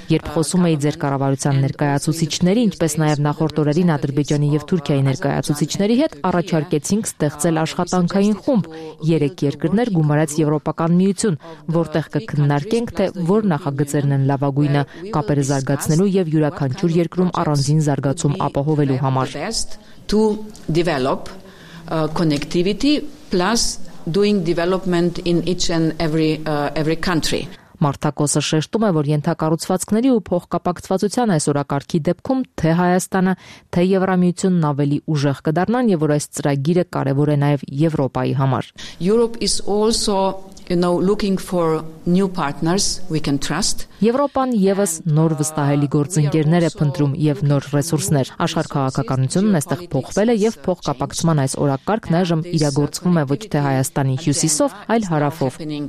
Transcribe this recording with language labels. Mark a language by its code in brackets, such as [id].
[hy] Երբ խոսում էի ձեր կառավարության ներկայացուցիչների, ինչպես նաև նախորդ օրերին Ադրբեջանի և Թուրքիայի ներկայացուցիչների հետ, առաջարկեցինք ստեղծել աշխատանքային խումբ, երեք երկրներ գումարած Եվրոպական Միություն, որտեղ կքննարկենք, թե որ նախագծերն են լավագույնը կապերը զարգացնելու և յուրաքանչյուր երկրում առանձին զարգացում ապահովելու համար։ Մարտակոսը շեշտում է, որ ենթակառուցվածքների ու փոխկապակցվածության այս օրակարգի դեպքում թե Հայաստանը, թե Եվրամիությունն ավելի ուժեղ կդառնան եւ որ այս ծրագիրը կարեւոր է նաեւ Եվրոպայի համար։ [en] Europe is also, you know, looking for new partners we can trust. [hy] Եվրոպան եւս նոր վստահելի գործընկերներ է փնտրում եւ նոր ռեսուրսներ։ Աշխարհքաղաքականությունն այստեղ փոխվել է եւ փոխկապակցման այս օրակարգն այժմ իրագործվում է ոչ թե Հայաստանի հյուսիսով, այլ հարավով։